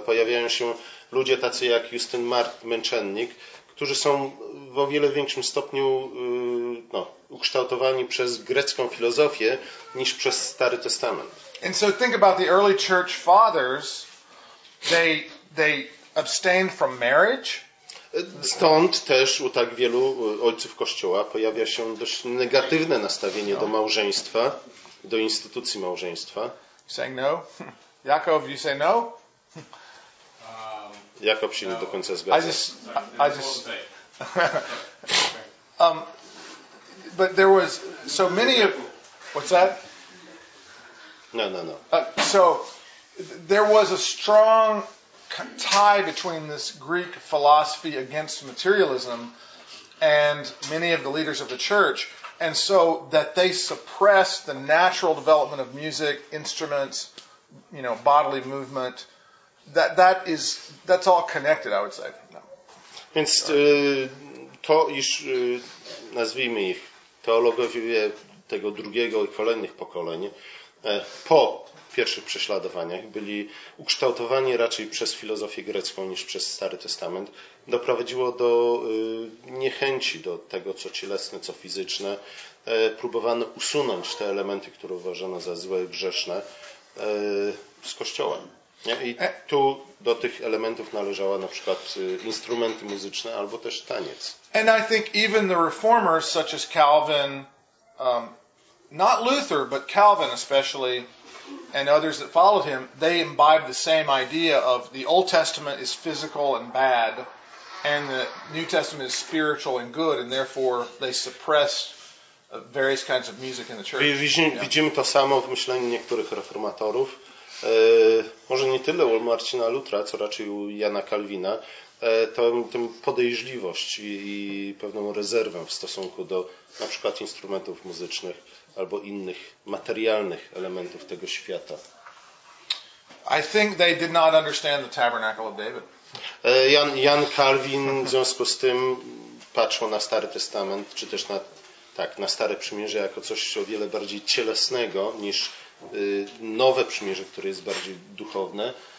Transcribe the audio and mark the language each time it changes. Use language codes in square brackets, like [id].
[pl] Pojawiają się ludzie tacy jak Justin Martyr, męczennik, którzy są w o wiele większym stopniu ukształtowani przez grecką filozofię niż przez Stary Testament. [en] And so think about the early church fathers. They abstained from marriage. [pl] Stąd też u tak wielu ojców kościoła pojawia się dość negatywne nastawienie do małżeństwa, do instytucji małżeństwa. [en] Saying no? Jakob, you say no? [pl] Jakob się nie do końca zgadza. [en] I just but there was so many of, what's that? No. So there was a strong tie between this Greek philosophy against materialism and many of the leaders of the church, and so that they suppressed the natural development of music, instruments, you know, bodily movement. That's all connected, I would say. No. [pl] Więc to, iż nazwijmy ich teologowie tego drugiego i kolejnych pokoleń, po pierwszych prześladowaniach byli ukształtowani raczej przez filozofię grecką niż przez Stary Testament, doprowadziło do niechęci do tego, co cielesne, co fizyczne. Próbowano usunąć te elementy, które uważano za złe i grzeszne, z kościoła. I tu do tych elementów należała na przykład instrumenty muzyczne albo też taniec. [en] And I think even the reformers such as Calvin, not Luther, but Calvin especially, and others that followed him, they imbibed the same idea of the Old Testament is physical and bad, and the New Testament is spiritual and good, and therefore they suppressed various kinds of music in the church. [pl] Widzimy to samo w myśleniu niektórych reformatorów. Może nie tyle u Marcina Lutra, co raczej u Jana Kalwina, tę podejrzliwość i pewną rezerwę w stosunku do na przykład instrumentów muzycznych albo innych materialnych elementów tego świata. [en] I think they did not understand the tabernacle of David. [pl] Jan Kalwin w związku z tym patrzył na Stary Testament, czy też na Stare Przymierze jako coś o wiele bardziej cielesnego niż nowe przymierze, które jest bardziej duchowne.